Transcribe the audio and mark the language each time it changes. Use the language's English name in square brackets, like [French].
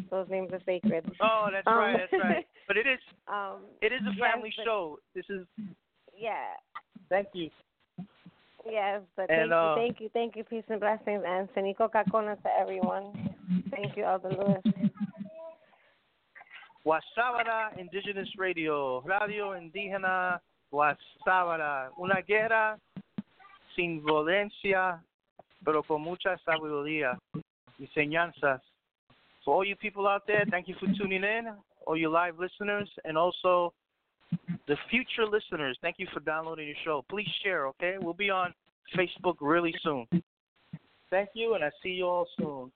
[English] Those names are sacred. Oh, that's right, that's right. But it is a family show. This is Thank you. Yes, but thank you, peace and blessings, and Senico Cacona to everyone. Thank you, Aldo Luis. Wasabara Indigenous Radio, [Spanish] Radio Indígena Wasabara, una guerra sin violencia, pero con mucha sabiduría y enseñanzas. [English] For all you people out there, thank you for tuning in, all you live listeners, and also the future listeners, thank you for downloading your show. Please share, okay? We'll be on Facebook really soon. Thank you, and I see you all soon.